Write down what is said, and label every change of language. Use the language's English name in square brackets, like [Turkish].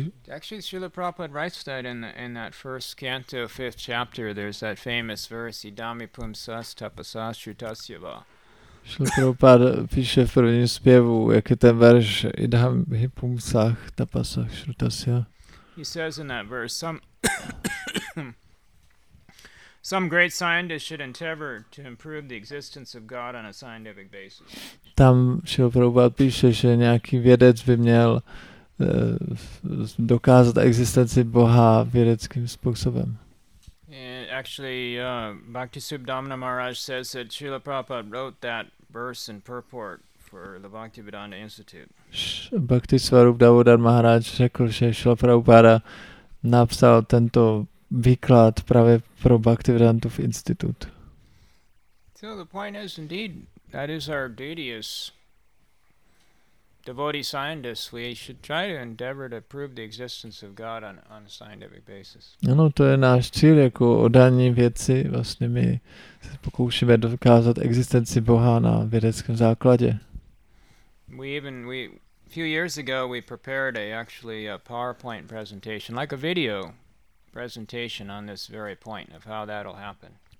[English] actually, Srila Prabhupada writes that in that first canto, fifth chapter, there's that famous verse, [Sanskrit] Idami pum sas tapasas srutasya va. [Czech] Srila Prabhupada píše v prvním zpěvu, jak je ten verš, [Sanskrit] Idami pum sas tapasas srutasya. [English] He says in that verse, some great scientist should endeavor to improve the existence of God on a scientific basis. [Czech] Tam Srila Prabhupada píše, že nějaký vědec by měl dokázat existenci Boha vědeckým způsobem. [English] Actually, Bhaktisubdhamana Maharaj says that Srila Prabhupada wrote that verse in purport for the Bhaktivedanta Institute. [Czech] Bhaktisvarupdhavodar Maharaj řekl, že Srila Prabhupada napsal tento výklad právě pro Bhaktivedanta Institute. [English] So the point is indeed that is our duty is devotee scientists, we should try to endeavor to prove the existence of God on a scientific basis. [Czech] Ano, to je náš cíl jako oddaní věci, vlastně my se pokoušíme dokázat existenci Boha na vědeckém základě. [English] We a few years ago we prepared a PowerPoint presentation, like a video presentation on this very point of how that'll happen.